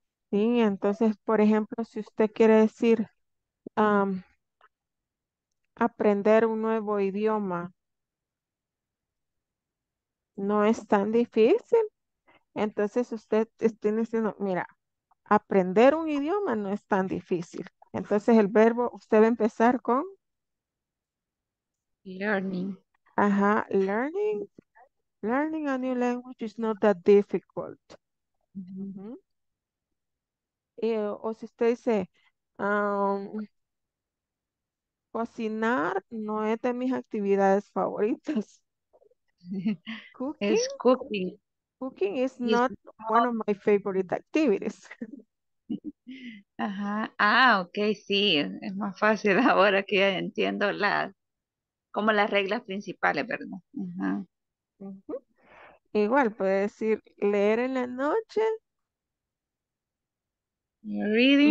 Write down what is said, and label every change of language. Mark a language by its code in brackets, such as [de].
[es] Sí, entonces, por ejemplo, si usted quiere decir aprender un nuevo idioma, no es tan difícil. Entonces usted está diciendo, mira, aprender un idioma no es tan difícil. Entonces el verbo, usted va a empezar con [en] learning. Ajá, learning. Learning a new language is not that difficult. [es] O si usted dice, cocinar no es de mis actividades favoritas. [en] Cooking. Cooking is not one of my favorite activities. [es] Ajá. Ah, okay, sí, es más fácil ahora que ya entiendo como las reglas principales, ¿verdad? Igual puede decir leer en la noche. [en] Reading.